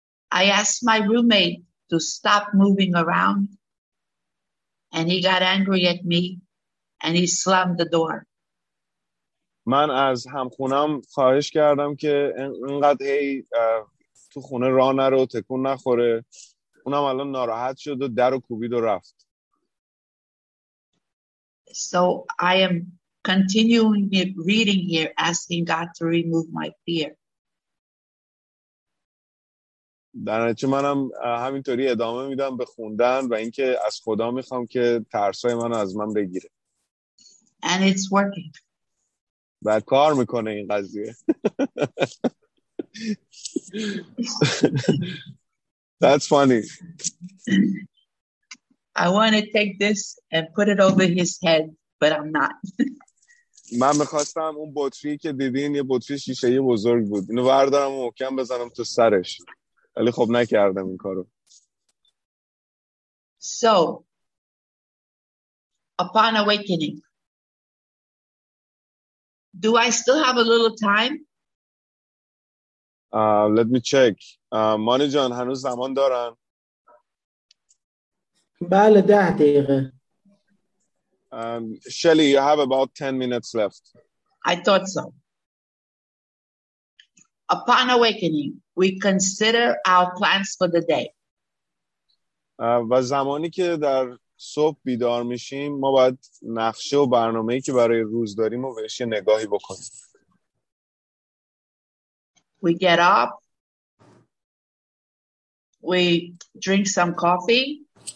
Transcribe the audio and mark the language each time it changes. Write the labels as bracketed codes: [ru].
[en] I asked my roommate to stop moving around and he got angry at me and he slammed the door. [fa] من از همخونم خواهش کردم که اینقدر هی تو خونه راه نره و تکون نخوره. اونم الان ناراحت شد و در و کوبید و رفت. [en] So I am continuing reading here asking God to remove my fear. [fa] در نتیجه منم همینطوری ادامه میدم به خوندن و اینکه از خدا میخوام که ترسای منو از من بگیره. [en] And it's working. [fa] و کار میکنه این قضیه. [en] That's funny. I want to take this and put it over his head, but I'm not. [fa] من میخواستم اون بطری که دیدین یه بطری شیشه‌ای بزرگ بود. اینو بردارم و محکم بزنم تو سرش. ولی خب نکردم این کارو. [en] So, upon awakening, do I still have a little time? Let me check. [fa] مانی جان هنوز زمان دارن؟ بله 10 دقیقه. [en] Shelly, you have about 10 minutes left. I thought so. Upon awakening, we consider our plans for the day. [fa] و زمانی که در صبح بیدار میشیم ما باید نقشه و برنامه‌ای که برای روز داریم رو بهش نگاهی بکنیم. [en] We get up. We drink some coffee.